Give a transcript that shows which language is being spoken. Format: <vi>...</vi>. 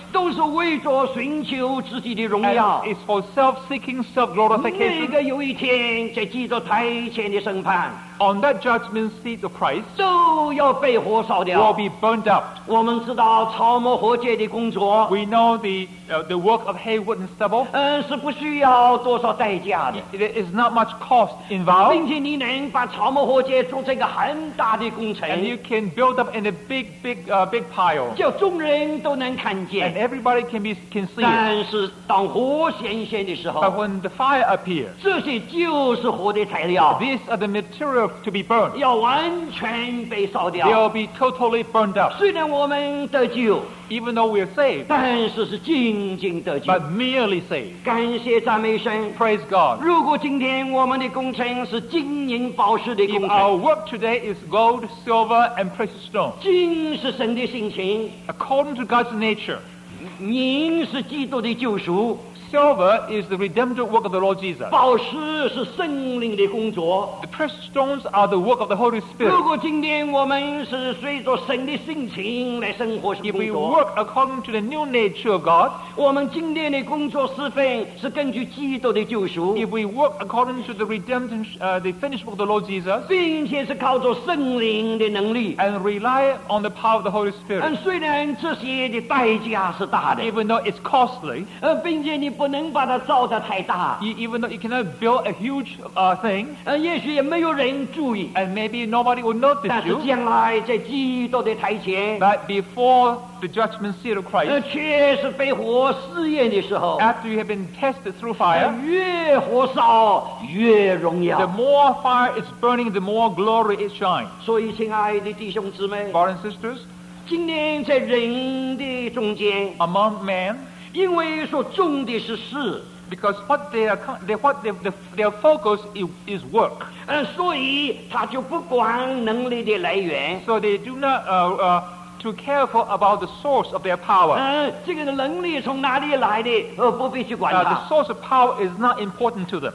<zh>都是为着寻求自己的荣耀</zh> <en>It's for self-seeking, self-glorification</en> <zh>那个有一天在基督台前的审判</zh> <en>On that judgment seat of Christ</en> <zh>都要被火烧掉</zh> <en>Will be burned up</en> <zh>我们知道草木和芥的工作</zh> <en>We know the work of hay, wood and stubble</en> <zh>是不需要多少代价的</zh> <en>There is not much cost involved</en> <zh>并且你能把草木和芥做这个很大的工程</zh> <en>And you can build up in a big pile</en> <zh>叫众人都能看见</zh> <en>And everybody can see</en> <zh>但是当火显现的时候</zh> <en>But when the fire appears</en> <zh>这些就是火的材料</zh> <en>These are the material to be burned</en> <zh>要完全被烧掉</zh> <en>They'll be totally burned up</en> <zh>虽然我们得救</zh> <en>Even though we're saved</en> <zh>但是是静静得救</zh> <en>But merely saved</en> <zh>感谢赞美神</zh> <en>Praise God</en> <zh>如果今天我们的工程是金银宝石的工程</zh> <en>If our work today is gold, silver and precious stone</en> <zh>金是神的性情</zh> <en>According to God's nature</en> <zh>银是基督的救赎</zh> <en>Silver is the redemptive work of the Lord Jesus</en> <zh>宝石是圣灵的工作</zh> <en>The precious stones are the work of the Holy Spirit</en> <zh>如果今天我们是随着神的性情来生活生活</zh> <en>If we work according to the new nature of God</en> <zh>我们今天的工作侍奉是根据基督的救赎</zh> <en>If we work according to the redemptive the finished work of the Lord Jesus</en> <zh>并且是靠着圣灵的能力</zh> <en>And rely on the power of the Holy Spirit</en> <zh>虽然这些的代价是大的</zh> <en>Even though it's costly</en> <zh>并且你不能把它造得太大</zh> <en>Even though you cannot build a huge thing</en> <zh>也许也没有人注意</zh> <en>And maybe nobody will notice you</en> <zh>但是将来在基督的台前</zh> <en>But before the judgment seat of Christ</en> <zh>却是被火试验的时候</zh> <en>After you have been tested through fire</en> <zh>越火烧越荣耀</zh> <en>The more fire is burning the more glory it shines</en> <zh>所以亲爱的弟兄姊妹</zh> <en>Brothers and sisters</en> <zh>今天在人的中间</zh> <en>Among men</en> <zh>因为所重的是事</zh> <en>Because what their focus is work</en> <zh>所以他就不管能力的来源</zh> <en>So they do not to careful about the source of their power.</en> <zh>这个能力从哪里来的, 不必去管它。</zh> <en>The source of power is not important to them.</en>